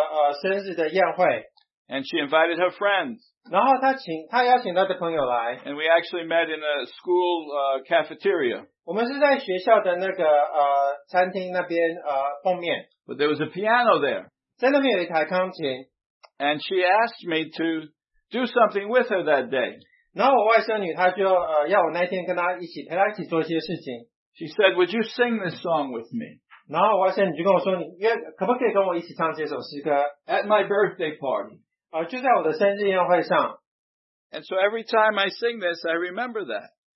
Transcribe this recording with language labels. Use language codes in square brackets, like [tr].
[zh] 外甥女她有一个生日的宴会, [en] and she invited her friends. [zh] 然后她邀请她的朋友来, [en] and we actually met in a school cafeteria. [zh] 我们是在学校的那个餐厅那边碰面, [en] but there was a piano there. [zh] 在那边有一台钢琴, [en] and she asked me to do something with her that day. [zh] 然后我外甥女她就要我那天跟她一起陪她一起做一些事情。 [en] She said, would you sing this song with me? [zh] 然后我外甥女就跟我说，你可不可以跟我一起唱这首诗歌？ [en] At my birthday party. [zh] 就在我的生日宴会上。 [en] And so every time I sing this, I remember that.